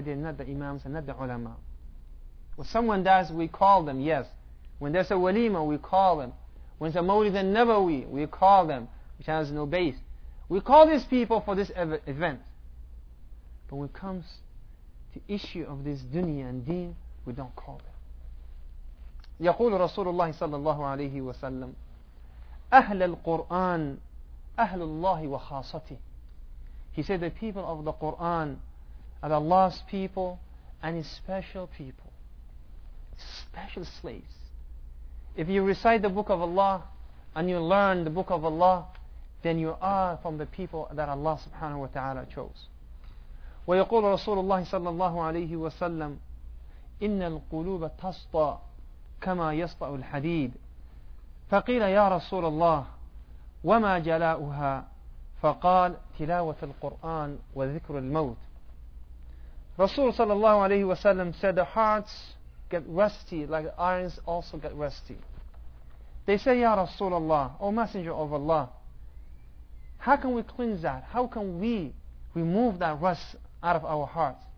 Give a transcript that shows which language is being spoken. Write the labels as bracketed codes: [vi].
[en] They're not the imams and not the ulama. When someone dies, we call them, yes. When there's a walima, we call them. When there's a mawlid al-nabawi, we call them, which has no base. We call these people for this event. But when it comes to issue of this dunya and deen, we don't call them. [ar] يقول رسول الله صلى الله عليه وسلم أهل القرآن أهل الله وخاصته. [en] He said the people of the Qur'an are Allah's people and His special people. Special slaves. If you recite the book of Allah and you learn the book of Allah, then you are from the people that Allah subhanahu wa ta'ala chose. [ar] ويقول رسول الله صلى الله عليه وسلم إن القلوب تسطى كما يسطى الحديد فقيل يا رسول الله وما جلاؤها فقال تلاوة القرآن وذكر الموت. رسول صلى الله عليه وسلم [en] said the hearts get rusty like the irons also get rusty. They say, [ar] يا رسول الله, [en] O Messenger of Allah, how can we cleanse that? How can we remove that rust out of our heart?